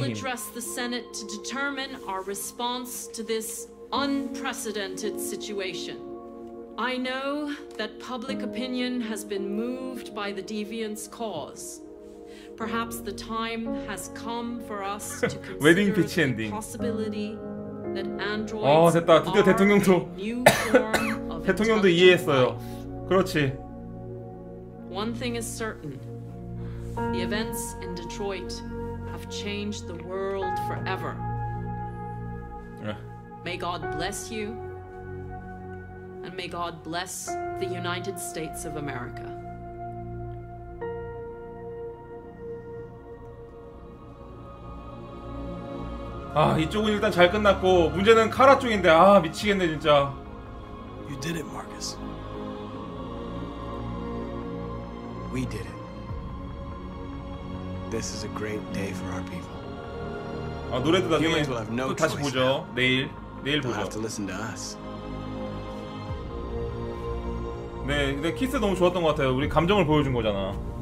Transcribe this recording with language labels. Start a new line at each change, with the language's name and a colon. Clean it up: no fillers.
English: we'll address the Senate to determine our response to this unprecedented situation. I know that public opinion has been moved by the deviant's cause. Perhaps the time has come for us to consider the possibility. That androids
Korean: 어 됐다. 드디어 대통령도 대통령도 이해했어요. 그렇지.
English: One thing is certain. The events in Detroit have changed the world forever. May God bless you. And may God bless the United States of America.
Korean: 아, 이쪽은 일단 잘 끝났고 문제는 카라 쪽인데 아, 미치겠네 진짜.
English: You did it, Marcus. We did it. This is a great day for our people.
Korean: 아, 노래도 나중에 또 다시 보죠. 내일. 내일 보죠.
English: Have to listen to us.
Korean: 네, 근데 키스 너무 좋았던 것 같아요. 우리 감정을 보여준 거잖아.